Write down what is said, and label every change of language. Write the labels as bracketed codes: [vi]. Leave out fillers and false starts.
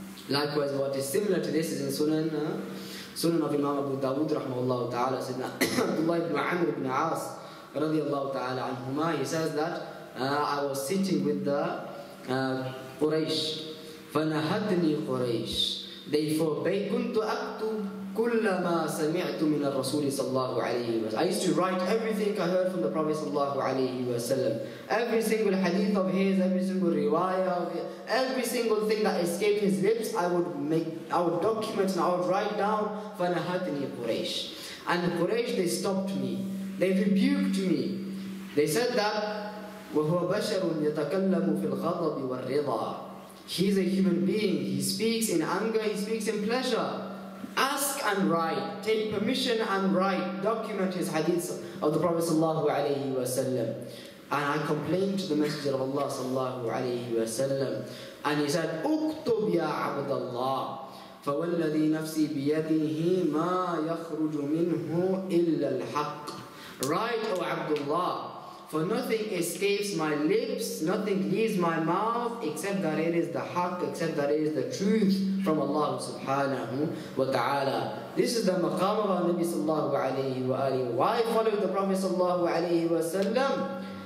[en] Likewise, what is similar to this is in Sunan of Imam Abu Dawood rahmahullah ta'ala, Sayyidina Abdullah ibn Amr ibn Aas [ar] رضي الله تعالى عنهما. [en] He says that I was sitting with the Quraysh. [ar] فنهتني قريش. [en] They forbade. [ar] كنت أكتب كل ما سمعت من الرسول صلى الله عليه وسلم. [en] I used to write everything I heard from the Prophet صلى الله عليه وسلم. Every single hadith of his, every single riwayah, every single thing that escaped his lips, I would document and I would write down. [ar] فنهتني قريش. [en] And Quraysh, they stopped me. They rebuked me. They said that [ar] وهو بشر يتكلم في الغضب والرضا. [en] He's a human being. He speaks in anger. He speaks in pleasure. Ask and write. Take permission and write. Document his hadith of the Prophet sallallahu alaihi wasallam. And I complained to the Messenger of Allah sallallahu alaihi wasallam. And he said, [ar] "Uktub ya Abd Allah." فوالذي نفسي بيده ما يخرج منه إلا الحق. [en] Write, O Abdullah. For nothing escapes my lips, nothing leaves my mouth, except that it is the haqq, except that it is the truth from Allah subhanahu wa ta'ala. This is the maqam of our Nabi sallallahu alayhi wa alayhi. Why follow the Prophet sallallahu alayhi wa sallam?